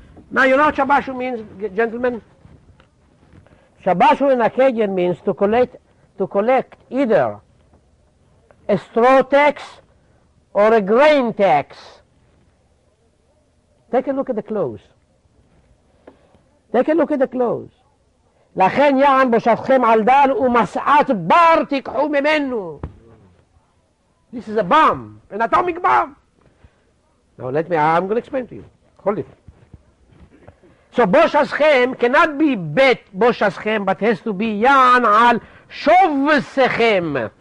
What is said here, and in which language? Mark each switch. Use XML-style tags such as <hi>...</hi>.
<en>Now you know what Shabashu means, gentlemen? Shabashu in Akkadian means to collect either a straw tax or a grain tax. Take a look at the clothes. Take a look at the clothes.</en> <he>לכן יען בושתכם על דל ומסעת בר תיקחו ממנו.</he> <en>This is a bomb, an atomic bomb. Now let me, I'm going to explain to you. Hold it. So בושתכם cannot be בית בושתכם, but has to be יען על שובסכם.</en>